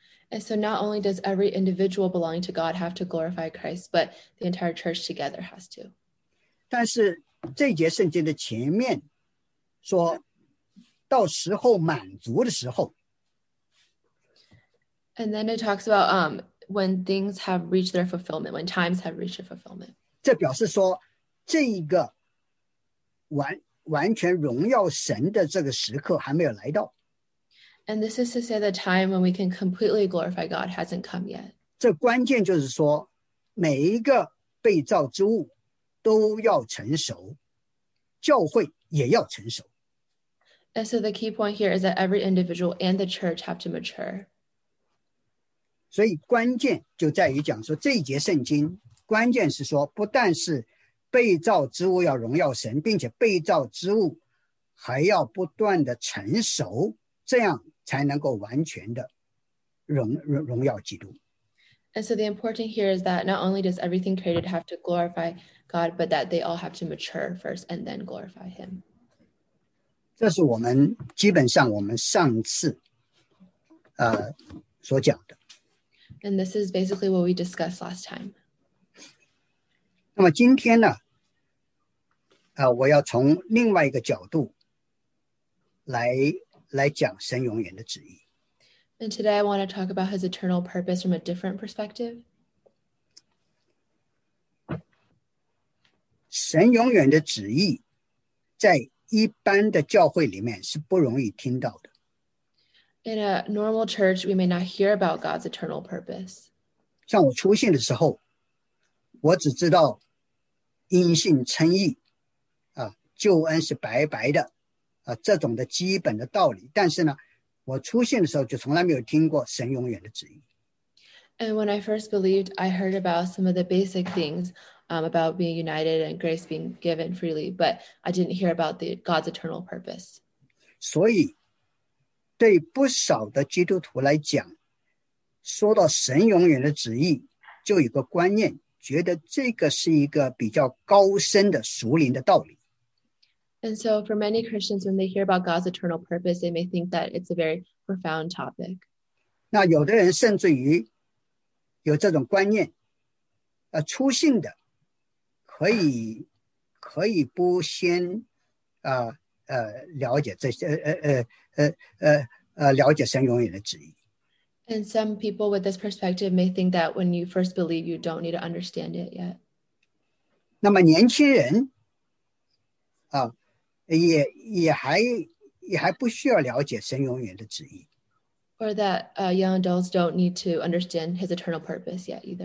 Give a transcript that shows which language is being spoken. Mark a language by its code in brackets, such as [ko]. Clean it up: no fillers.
[en] And so not only does every individual belonging to God have to glorify Christ, but the entire church together has to. [zh] 但是这节圣经的前面说。到时候满足的时候 [en] ，and then it talks about when things have reached their fulfillment, when times have reached their fulfillment. [zh] 这表示说，这一个完全荣耀神的这个时刻还没有来到。 [en] And this is to say the time when we can completely glorify God hasn't come yet. [zh] 这关键就是说，每一个被造之物都要成熟，教会也要成熟。 [en] And so the key point here is that every individual and the church have to mature. [zh] 所以关键就在于讲说这一节圣经，关键是说不但是被造之物要荣耀神，并且被造之物还要不断的成熟，这样才能够完全的荣耀基督。 [en] And so the important here is that not only does everything created have to glorify God, but that they all have to mature first and then glorify Him. [zh] 这是我们基本上我们上次所讲的。 [en] And this is basically what we discussed last time. [zh] 那么今天呢我要从另外一个角度来讲神永远的旨意。 [en] And today I want to talk about his eternal purpose from a different perspective. [zh] 神永远的旨意在一般的教会里面是不容易听到的。 [en] In a normal church, we may not hear about God's eternal purpose. [zh] 像我出信的时候，我只知道因信称义，救恩是白白的，这种的基本的道理。但是呢，我出信的时候就从来没有听过神永远的旨意。 [en] And when I first believed, I heard about some of the basic things. About being united and grace being given freely, but I didn't hear about God's eternal purpose. [zh] 所以，对不少的基督徒来讲，说到神永远的旨意，就有个观念，觉得这个是一个比较高深的属灵的道理。 [en] And so for many Christians, when they hear about God's eternal purpose, they may think that it's a very profound topic. [zh] 那有的人甚至于有这种观念，初信的。可以不先了解这些了解神永远的旨意。 [en] And some people with this perspective may think that when you first believe, you don't need to understand it yet. [zh] 那么年轻人也还不需要了解神永远的旨意。 [en] Or that young adults don't need to understand his eternal purpose yet either.